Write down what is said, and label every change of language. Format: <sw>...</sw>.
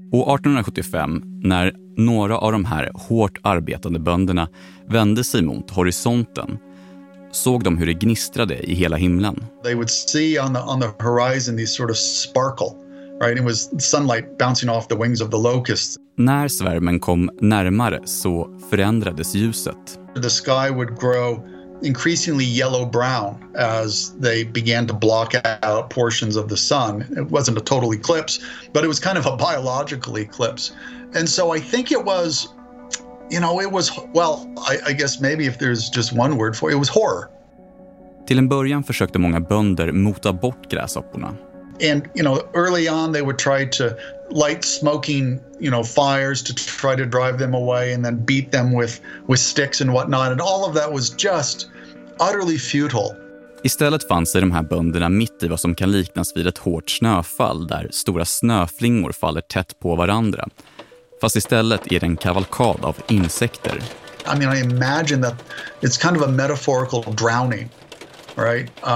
<sv>Och 1875, när några av de här hårt arbetande bönderna vände sig mot horisonten, såg de hur det gnistrade i hela himlen.</sv> <en>They would see on the horizon these sort of sparkle, right? It was sunlight bouncing off the wings of the locusts.</en> <sv>När svärmen kom närmare så förändrades ljuset.</sv> <en>The sky would grow increasingly yellow brown as they began to block out portions of the sun. It wasn't a total eclipse, but it was kind of a biological eclipse. And so I think it was, you know, it was, well, I guess maybe if there's just one word for it, it was horror.</en> <sv>Till en början försökte många bönder mota bort gräshopporna.</sv> <en>And, you know, early on they would try to light smoking, you know, fires to try to drive them away and then beat them with sticks and whatnot. And all of that was just utterly futile.</en> <sv>Istället fanns sig de här bönderna mitt i vad som kan liknas vid ett hårt snöfall där stora snöflingor faller tätt på varandra. Fast istället är det en kavalkad av insekter.</sv> <en>I mean, I imagine that it's kind of a metaphorical drowning, right?</en>